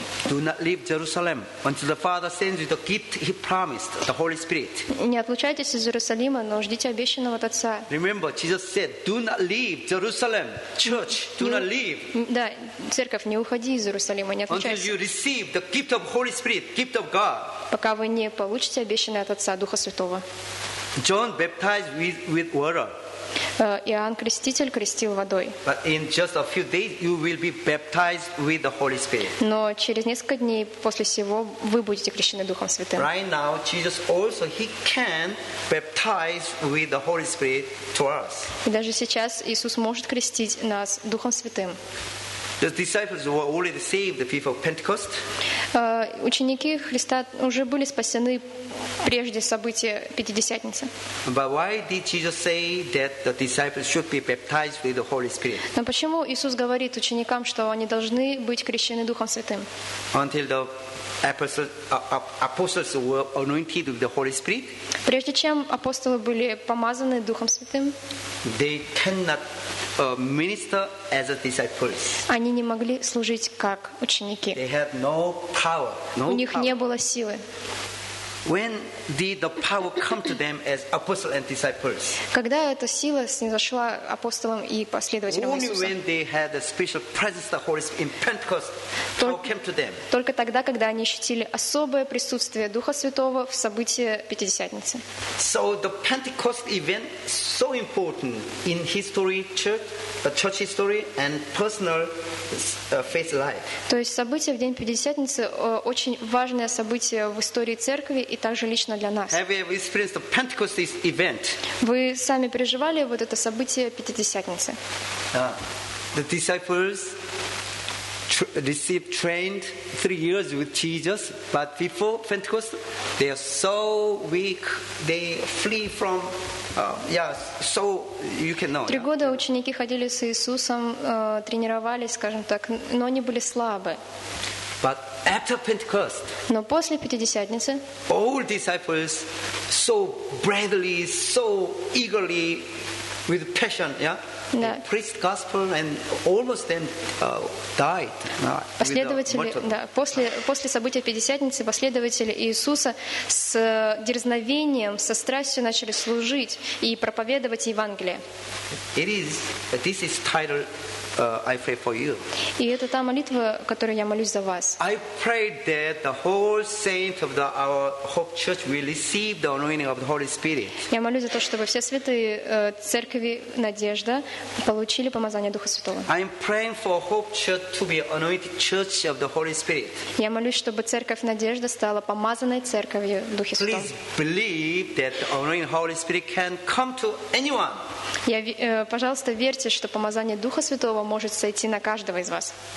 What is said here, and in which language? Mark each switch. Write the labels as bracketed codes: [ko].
[en] "Do not leave Jerusalem until the Father sends you the gift He promised, the Holy Spirit." [ru] Не отлучайтесь из Иерусалима, но ждите обещанного от Отца. [en] Remember, Jesus said, "Do not leave Jerusalem, church. Do not leave." [ru] Да, церковь, не уходи из Иерусалима, не отлучайся. [en] Until you receive the gift of Holy Spirit, gift of God. [ru] Пока вы не получите обещанное от Отца Духа Святого. [en] John baptized with water. [ru] Иоанн Креститель крестил водой. [en] But in just a few days you will be baptized with the Holy Spirit. [ru] Но через несколько дней после сего вы будете крещены Духом Святым. [en] Right now Jesus also he can baptize with the Holy Spirit to us. [ru] И даже сейчас Иисус может крестить нас Духом Святым. [en] The disciples were already saved the people of Pentecost. [ru] ученики Христа уже были спасены прежде события Пятидесятницы. [en] But why did Jesus say that the disciples should be baptized with the Holy Spirit? [ru] Но почему Иисус говорит ученикам, что они должны быть крещены Духом Святым? [en] Until the apostles were anointed with the Holy Spirit. [ru] Прежде чем апостолы были помазаны Духом Святым, [en] they cannot minister as disciples. [ru] Они не могли служить как ученики. [en] They had no power. [ru] У них не было силы. [en] When did the power come to them as apostles and disciples? [ru] Когда эта сила снизошла апостолам и последователям Иисуса? [en] Only when they had the special presence of the Holy Spirit in Pentecost, power came to them. [ru] Только тогда, когда они ощутили особое присутствие Духа Святого в событии Пятидесятницы. [en] So the Pentecost event so important in history, church, the church history and personal faith life. [ru] То есть событие в день Пятидесятницы очень важное событие в истории церкви. И также лично для нас. [en] Have you experienced the Pentecost event? [ru] Вы сами переживали вот это событие Пятидесятницы? [en] The disciples received trained 3 years with Jesus, but before Pentecost, they are so weak, they flee from. So you can know. [ru] 3 года ученики ходили с Иисусом, тренировались, скажем так, но они были слабы. [en] But after Pentecost, [ru] но после Пятидесятницы, [en] all disciples so bravely, so eagerly, with passion, preached gospel and almost then died. [ru] Последователи, после события Пятидесятницы последователи Иисуса с дерзновением, со страстью начали служить и проповедовать Евангелие. [en] This is title. I pray for you. [ru] И это та молитва, которой я молюсь за вас. [en] I pray that the whole saint of our Hope Church will receive the anointing of the Holy Spirit. [ru] Я молюсь за то, чтобы все святые церкви Надежда получили помазание Духа Святого. [en] I'm praying for Hope Church to be anointed Church of the Holy Spirit. [ru] Я молюсь, чтобы церковь Надежда стала помазанной церковью Духа Святого. [en] Please believe that the anointing of the Holy Spirit can come to anyone. [ru] Пожалуйста, верьте, что помазание Духа Святого может сойти на каждого из вас.